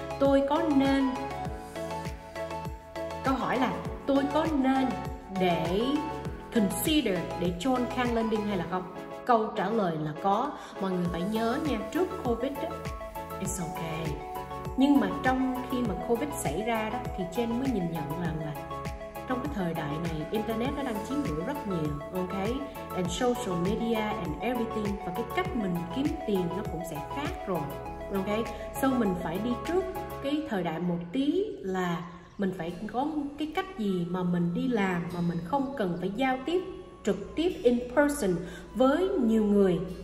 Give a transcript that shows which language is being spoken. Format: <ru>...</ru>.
<vi>Tôi có nên, câu hỏi là tôi có nên để consider để join Khang Lending hay là không? Câu trả lời là có. Mọi người phải nhớ nha, trước Covid đó,</vi> <en>it's okay.</en> <vi>Nhưng mà trong khi mà Covid xảy ra đó, thì Jen mới nhìn nhận rằng là trong cái thời đại này, Internet nó đang chiếm hữu rất nhiều, ok?</vi> <en>And social media and everything.</en> <vi>Và cái cách mình kiếm tiền nó cũng sẽ khác rồi, ok? So mình phải đi trước cái thời đại một tí, là mình phải có cái cách gì mà mình đi làm mà mình không cần phải giao tiếp trực tiếp in person với nhiều người.</vi>